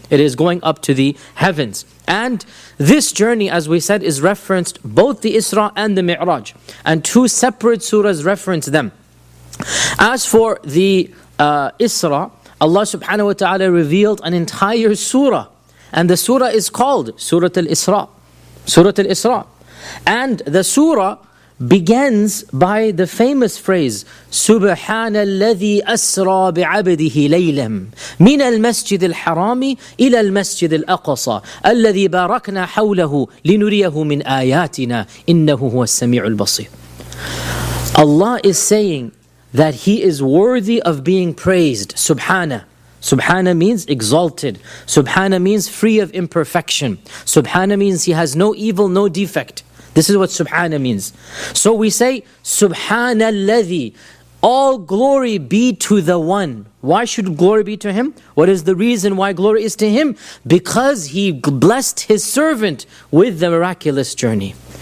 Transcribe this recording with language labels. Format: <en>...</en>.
<en>It is going up to the heavens. And this journey, as we said, is referenced both the Isra and the Mi'raj. And two separate surahs reference them. As for the Isra, Allah subhanahu wa ta'ala revealed an entire surah. And the surah is called Surah Al-Isra. Surah Al-Isra. And the surah begins by the famous phrase,</en> <ar>سُبْحَانَ الَّذِي أَسْرَى بِعَبْدِهِ لَيْلًا مِنَ الْمَسْجِدِ الْحَرَامِ إِلَى الْمَسْجِدِ الْأَقْصَى الَّذِي بَارَكْنَا حَوْلَهُ لِنُرِيَهُ مِنْ آيَاتِنَا إِنَّهُ هُوَ السَّمِيعُ الْبَصِيرُ.</ar> <en>Allah is saying that He is worthy of being praised,</en> <ar>سُبْحَانَ,</ar> <en>Subhana means exalted. Subhana means free of imperfection. Subhana means he has no evil, no defect. This is what Subhana means. So we say, Subhana alladhi. All glory be to the one. Why should glory be to him? What is the reason why glory is to him? Because he blessed his servant with the miraculous journey.</en>